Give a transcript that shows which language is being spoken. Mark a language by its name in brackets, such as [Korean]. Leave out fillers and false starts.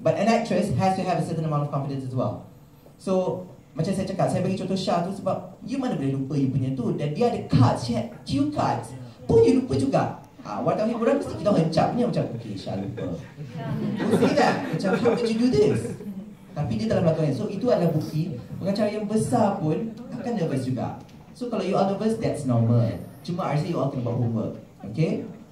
[English] But an actress has to have a certain amount of confidence as well. [Malay] So, macam saya cakap, saya bagi contoh Shah tu sebab you mana boleh lupa you punya tu, dan dia ada cards, [English] she had cue cards [Malay] pun you lupa juga. Wartawan hiburan mesti kita hencap ni macam, okay Shah lupa. [English] Don't say that, macam how could you do this? [Malay] Tapi dia telah melakukan. So itu adalah bukti pengacara yang besar pun akan nervous juga. So kalau [English] you are nervous, that's normal. Cuma I say you all [Malay] kena buat [English] homework, okay?